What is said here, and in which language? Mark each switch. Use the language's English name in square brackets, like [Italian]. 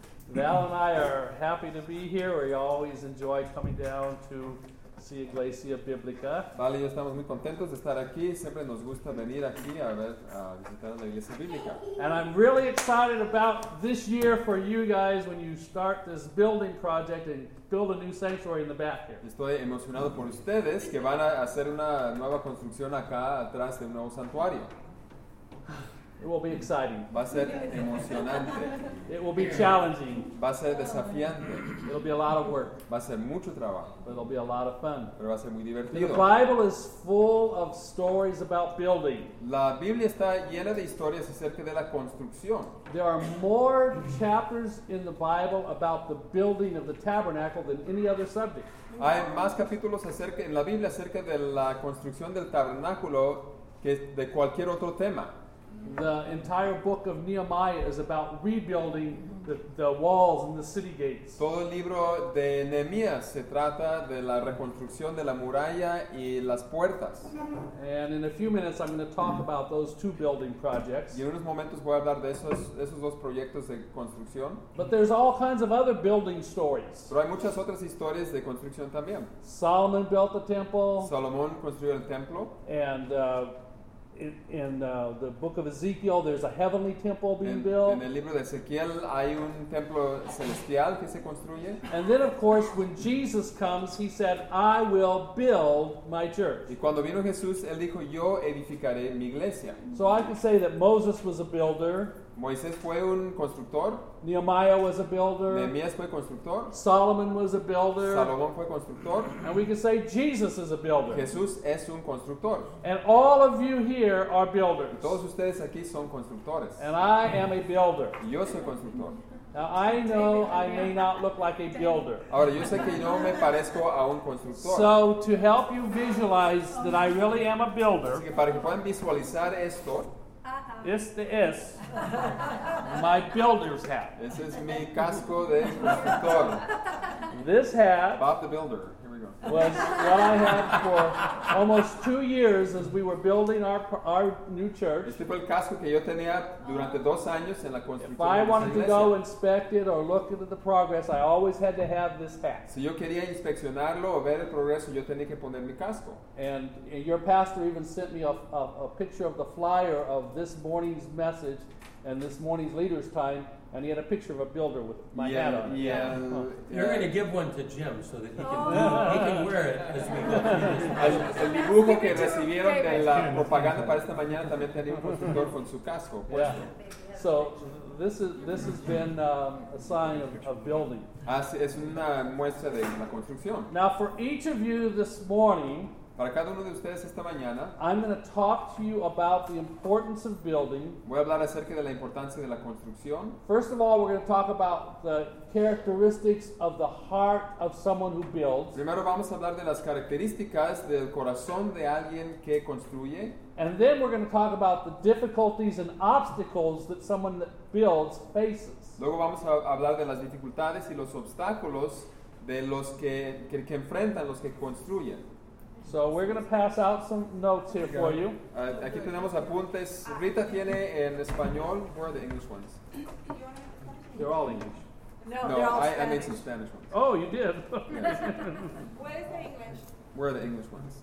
[English] Val and I are happy to be here. We always enjoy coming down to see Iglesia Biblica. [Spanish] Val y yo estamos muy contentos de estar aquí. Siempre nos gusta venir aquí a ver a visitar la Iglesia Biblica. [English] And I'm really excited about this year for you guys when you start this building project and build a new sanctuary in the back here. [Spanish] Estoy emocionado por ustedes que van a hacer una nueva construcción acá atrás de un nuevo santuario. [English] It will be exciting. [Spanish] Va a ser emocionante. [English] It will be challenging. [Spanish] Va a ser desafiante. [English] It'll be a lot of work. [Spanish] Va a ser mucho trabajo. [English] But it'll be a lot of fun. [Spanish] Pero va a ser muy divertido. [English] The Bible is full of stories about building. [Spanish] La Biblia está llena de historias acerca de la construcción. [English] There are more chapters in the Bible about the building of the tabernacle than any other subject. [Spanish] Hay más capítulos acerca en la Biblia acerca de la construcción del tabernáculo que de cualquier otro tema. [English] The entire book of Nehemiah is about rebuilding the walls and the city gates. [Spanish] Todo el libro de Nehemías se trata de la reconstrucción de la muralla y las puertas. [English] And in a few minutes I'm going to talk about those two building projects. [Spanish] Y en unos momentos voy a hablar de esos dos proyectos de construcción. [English] But there's all kinds of other building stories. [Spanish] Pero hay muchas otras historias de construcción también. [English] Solomon built the temple. [Spanish] Salomón construyó el templo. [English] And the book of Ezekiel, there's a heavenly temple being built. [Spanish] En el libro de Ezequiel hay un templo celestial que se construye. [English] And then, of course, when Jesus comes, he said, "I will build my church." [Spanish] Y cuando vino Jesús, él dijo, "Yo edificaré mi iglesia." [English] So I can say that Moses was a builder. [Spanish] Moisés fue un constructor. [English] Nehemiah was a builder. [Spanish] Nehemías fue constructor. [English] Solomon was a builder. [Spanish] Salomón fue constructor. [English] And we can say Jesus is a builder. [Spanish] Jesús es un constructor. [English] And all of you here are builders. [Spanish] Y todos ustedes aquí son constructores. [English] And I am a builder. [Spanish] Yo soy constructor. [English] Now I know I may not look like a builder. [Spanish] Ahora yo sé que no me parezco a un constructor. [English] So to help you visualize that I really am a builder. [Spanish] Así que para que puedan visualizar esto. Este es [English] my builder's hat. This is [Spanish] mi casco de constructor. [English] This hat, Bob the Builder, here we go, was what I had for almost 2 years as we were building our new church. [Spanish] Este fue el casco que yo tenía durante 2 años en la construcción. [English] If I wanted to go inspect it or look at the progress, I always had to have this hat. [Spanish] Si yo quería inspeccionarlo o ver el progreso, yo tenía que poner mi casco. [English] And your pastor even sent me a picture of the flyer of this morning's message and this morning's leader's time, and he had a picture of a builder with my hat on. Yeah. You're going to give one to Jim so that he can wear it as we go. [Spanish] El dibujo que recibieron de la propaganda para esta mañana también tenía un constructor con su casco. [English] Yeah. So this has been a sign of building. [Spanish] Así es una muestra de la construcción. [English] Now for each of you this morning, [Spanish] para cada uno de ustedes esta mañana, [English] I'm going to talk to you about the importance of building. [Spanish] Voy a hablar acerca de la importancia de la construcción. [English] First of all, we're going to talk about the characteristics of the heart of someone who builds. [Spanish] Primero vamos a hablar de las características del corazón de alguien que construye. [English] And then we're going to talk about the difficulties and obstacles that someone that builds faces. [Spanish] Luego vamos a hablar de las dificultades y los obstáculos de los que enfrentan los que construyen. [English] So we're going to pass out some notes here for you. [Spanish] Aquí tenemos apuntes. Rita tiene en español. [English] Where are the English ones? They're all English. No, they're all Spanish. I made some Spanish ones. Oh, you did? Where is the English? Where are the English ones?